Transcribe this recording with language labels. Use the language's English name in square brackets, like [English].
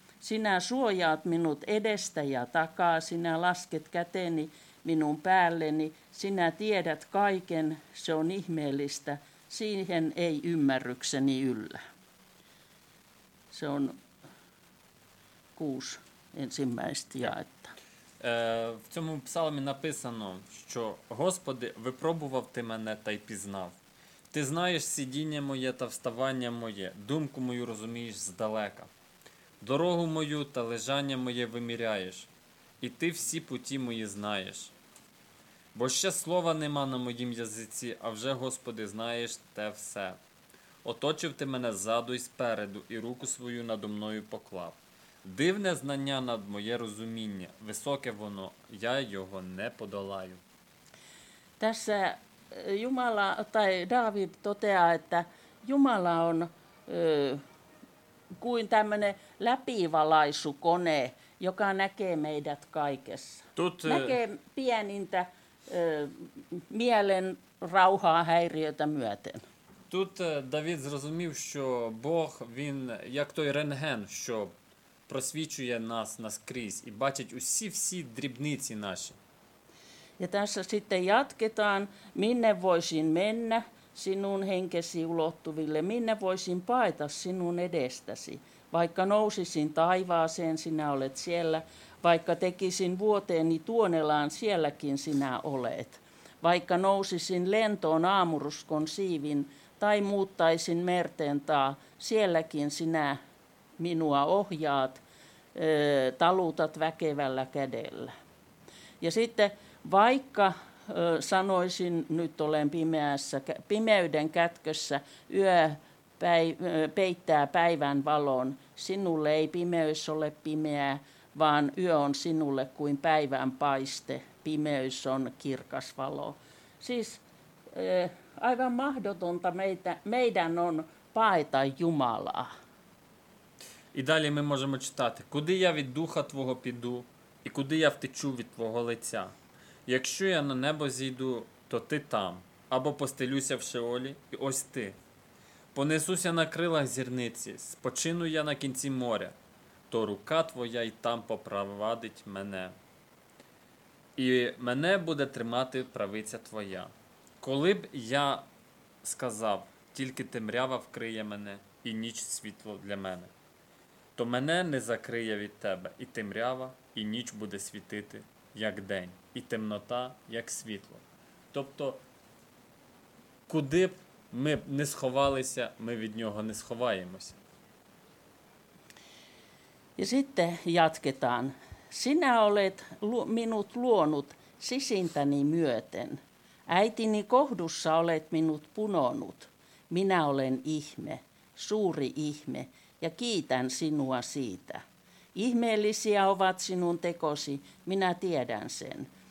[Finnish] Sinä suojaat minut edestä ja takaa, sinä lasket käteni minun päälleni, sinä tiedät kaiken, se on ihmeellistä, siihen ei ymmärrykseni yllä. Se on 6 ensimmäistä jaetta. [Ukrainian] В цьому псалмі написано, що Господи, випробував ти мене та й пізнав. Ти знаєш сидіння моє та вставання моє, думку мою розумієш здалека. Дорогу мою та лежання моє виміряєш, і ти всі путі мої знаєш. Бо ще слова нема на моїм язиці, а вже, Господи, знаєш те все. Оточив ти мене ззаду і спереду, і руку свою надо мною поклав. Дивне знання над моє розуміння, високе воно, я його не подолаю. [Finnish] Tässä Jumala tai David toteaa, että Jumala on kuin tämmöinen läpivalaisukone, joka näkee meidät kaikessa. Näkee pienintä mielen rauhaa häiriötä myöten. [Ukrainian] Тут David зрозумів, що Бог, він як той рентген, що просвічує нас наскрізь і бачить усі-всі дрібниці наші. [Finnish] Ja tässä sitten jatketaan, minne voisin mennä sinun henkesi ulottuville, minne voisin paeta sinun edestäsi. Vaikka nousisin taivaaseen, sinä olet siellä. Vaikka tekisin vuoteeni tuonelaan, sielläkin sinä olet. Vaikka nousisin lentoon aamuruskon siivin tai muuttaisin merten taa, sielläkin sinä minua ohjaat, talutat väkevällä kädellä. Ja sitten vaikka sanoisin, nyt olen pimeässä, pimeyden kätkössä, yö peittää päivän valon, sinulle ei pimeys ole pimeää, vaan yö on sinulle kuin päivän paiste, pimeys on kirkas valo. Siis aivan mahdotonta meidän on paeta Jumalaa. [Ukrainian] І далі ми можемо читати, куди я від духа Твого піду, і куди я втечу від Твого лиця. Якщо я на небо зійду, то Ти там, або постелюся в Шеолі, і ось Ти. Понесуся на крилах зірниці, спочину я на кінці моря, то рука Твоя й там попровадить мене. І мене буде тримати правиця Твоя. Коли б я сказав, тільки темрява вкриє мене, і ніч світло для мене. То мене не закриє від тебе і темрява, і ніч буде світити, як день, і темнота, як світло. Тобто, куди б ми не сховалися, ми від нього не сховаємося. [Finnish] Ja sitten jatketaan. Sinä olet minut luonut sisintäni myöten. Äitini kohdussa olet minut punonut. Minä olen ihme, suuri ihme. Ja kiitän sinua siitä. Ihmeellisiä ovat sinun tekosi, minä tiedän sen.